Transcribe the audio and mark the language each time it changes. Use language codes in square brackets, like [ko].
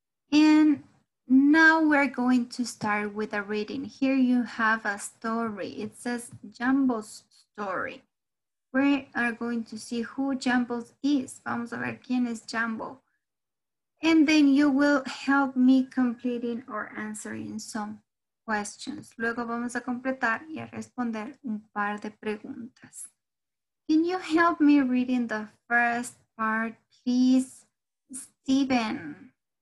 [en] And now we're going to start with a reading. Here you have a story. It says Jumbo's story. We are going to see who Jumbles is. [es] Vamos a ver quién es Jumbo. [en] And then you will help me completing or answering some questions. [es] Luego vamos a completar y a responder un par de preguntas. [en] Can you help me reading the first part, please, Steven?